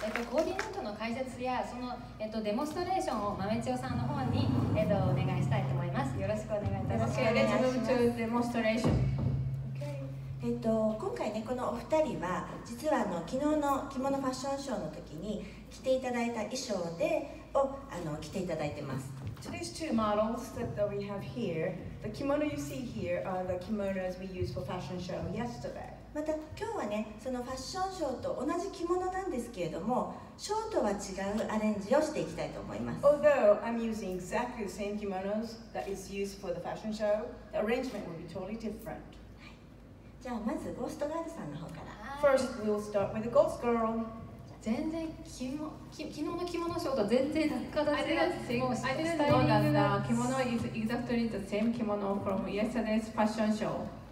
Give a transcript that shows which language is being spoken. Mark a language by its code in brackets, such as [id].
[ja] コーディネートの解説やその、デモンストレーションを豆千代さんの方に、お願いしたいと思います。よろしくお願いいたします。 [en] Okay, let's move to demonstration. Okay. [ja] 今回ね、このお二人は実は昨日の着物ファッションショーの時に着ていただいた衣装でを着ていただいてます。 [en] Today's two models that we have here, the kimono you see here are the kimonos we used for fashion show yesterday. [ja] また今日はね、そのファッションショーと同じ着物なんですけれども、ショーとは違うアレンジをしていきたいと思います。 [en] Although I'm using exactly the same kimonos that is used for the fashion show, the arrangement will be totally different.、 [ja] はい、じゃあまずゴーストガールさんの方から。 [en] First, we'll start with the ghost girl. [ja] 全然昨日の着物ショーと全然形が違う。 [en] I didn't know that the kimono is exactly the same kimono from yesterday's fashion show.